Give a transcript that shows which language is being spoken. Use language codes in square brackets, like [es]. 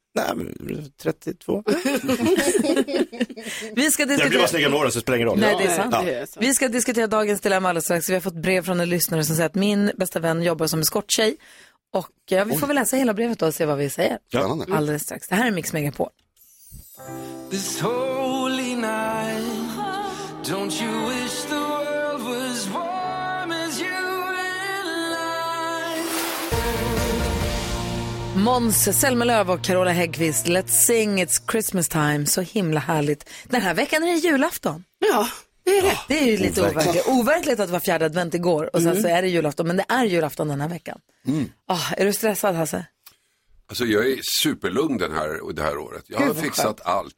[sv] Nej, men 32. Vi ska diskutera... Jag blir bara snygg om åren, så det spelar ingen roll. Nej, det är sant. Ja. Vi ska diskutera dagens dilemma alldeles strax. Vi har fått brev från en lyssnare som säger att min bästa vän jobbar som eskorttjej. Och vi får väl läsa hela brevet då och se vad vi säger. Ja. Alldeles strax. Det här är Mix Megapol. [en] This holy night, don't you wish the world was warm as you and I. [sv] Måns Zelmerlöw och Carola Häggkvist, Let's sing, it's Christmas time. Så himla härligt. Den här veckan är det julafton. Ja, det är det. Det är ju lite overkligt att det var fjärde advent igår. Och sen så är det julafton, men det är julafton den här veckan. Är du stressad, Hasse? Alltså jag är superlugn det här året. Jag har fixat allt.